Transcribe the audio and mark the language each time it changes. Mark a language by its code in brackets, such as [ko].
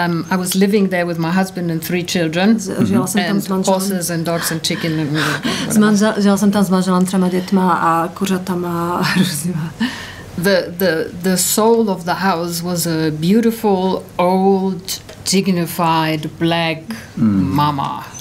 [en] I was living there with my husband and three children. Horses and dogs and chicken. [cs] Žila jsem tam s manželem, třema dětma a kuřatama a různýma. [en] The soul of the house was a beautiful, old, dignified, black mama.